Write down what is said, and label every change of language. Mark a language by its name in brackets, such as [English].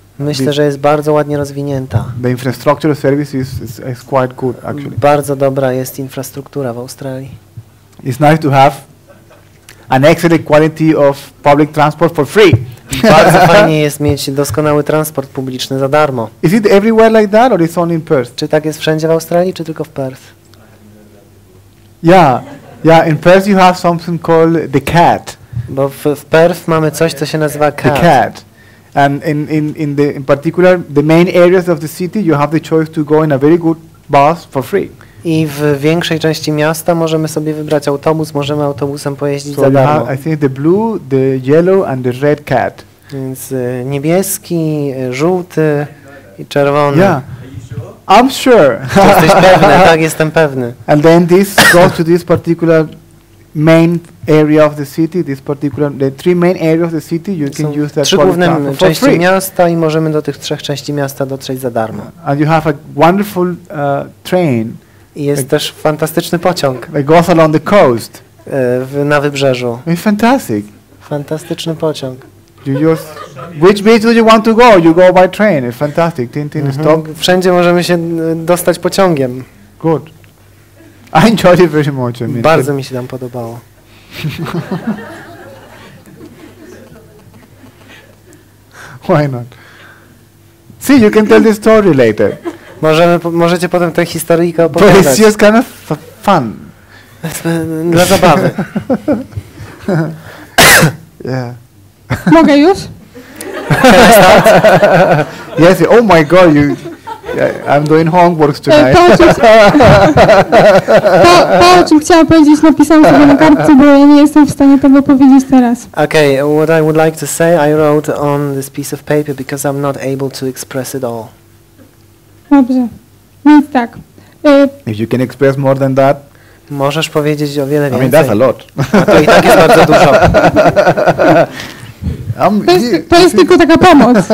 [Polish] Myślę, że jest bardzo ładnie rozwinięta. [English] The infrastructure service is quite good, actually. [Polish] Bardzo dobra jest infrastruktura w Australii. [English] It's nice to have an excellent quality of public transport for free. [Polish] Bardzo fajnie jest mieć doskonały transport publiczny za darmo. [English] Is it everywhere like that, or is only in Perth? [Polish] Czy tak jest wszędzie w Australii, czy tylko w Perth? [English] Yeah, in Perth you have something called the cat. [Polish] Bo w Perth mamy coś, co się nazywa cat. [English] The cat. And in particular the main areas of the city, you have the choice to go in a very good bus for free. [Polish] I w większej części miasta możemy sobie wybrać autobus, możemy autobusem pojeździć za darmo. [English] I think the blue, the yellow and the red cat. [Polish] Więc niebieski, żółty i czerwony. [English] Yeah. I'm sure. [Polish] Jesteś pewny, tak, jestem pewny. [English] And then this goes to this particular main area of the city, this particular, the three main areas of the city, you can use that public transport for free. [Polish] Miasta i możemy do tych trzech części miasta dotrzeć za darmo. [English] And you have a wonderful train. [Polish] I jest też fantastyczny pociąg. [English] It goes along the coast. [Polish] Na wybrzeżu. [English] It's fantastic. [Polish] Fantastyczny pociąg. [English] Which beach do you want to go? You go by train. It's fantastic. Tintin, stop. [Polish] Wszędzie możemy się dostać pociągiem. [English] Good. I enjoyed it very much. I mean, [Polish] bardzo mi się tam podobało. [English] Why not? See, you can tell the story later. [Polish] Możecie potem tę historyjkę opowiadać. [English] But it's just kind of fun. [Polish] Dla zabawy. [English] Yeah. [Polish] Mogę już? [English] Yes, oh my god, I'm doing homework tonight. [Polish] To, o czym chciałam powiedzieć, napisałam sobie na kartce, bo ja nie jestem w stanie tego powiedzieć teraz. [English] Okay, what I would like to say, I wrote on this piece of paper because I'm not able to express it all. [Polish] Dobrze, więc tak. [English] If you can express more than that. [Polish] Możesz powiedzieć o wiele więcej. [English] I mean, that's a lot. [Polish] A to i tak jest bardzo dużo. To jest tylko taka pomoc.